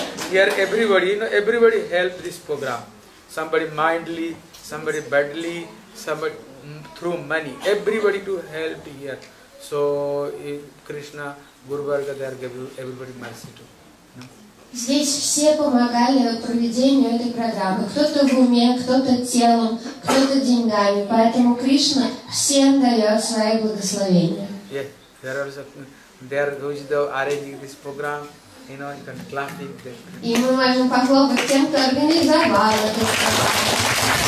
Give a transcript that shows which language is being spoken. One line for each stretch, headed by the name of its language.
English: here everybody, you know, everybody helped this program. Somebody mindly, somebody badly, somebody through money. Everybody to help here. So Krishna, Guru Varga, they are giving everybody mercy too.
Russian: Здесь все помогали проведению этой программы. Кто-то в уме, кто-то телом, кто-то деньгами. Поэтому Кришна всем дает свои благословения.
English: Yeah, there are some, there is the arranging this program, you know, you can clap in there.
Russian: И мы можем похлопать тем, кто организовал это.